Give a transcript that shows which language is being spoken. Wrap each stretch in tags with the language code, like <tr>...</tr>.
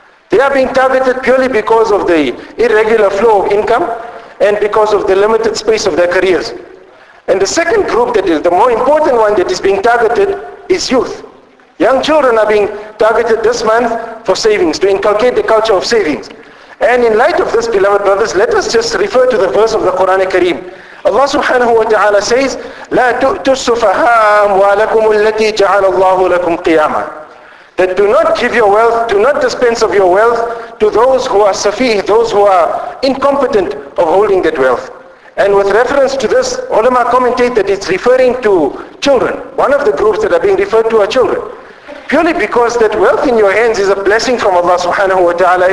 <en>They are being targeted purely because of the irregular flow of income and because of the limited space of their careers. And the second group that is the more important one that is being targeted is youth. Young children are being targeted this month for savings, to inculcate the culture of savings. And in light of this, beloved brothers, let us just refer to the verse of the Quran Kareem. Allah subhanahu wa ta'ala says,</en> <ar>لَا تُؤْتُوا السُّفَهَاءَ أَمْوَالَكُمُ الَّتِي جَعَلَ اللَّهُ لَكُمْ قِيَامًا.</ar> <en>That do not give your wealth, do not dispense of your wealth to those who are safih, those who are incompetent of holding that wealth. And with reference to this, ulama commentate that it's referring to children. One of the groups that are being referred to are children. Purely because that wealth in your hands is a blessing from Allah subhanahu wa ta'ala.</en>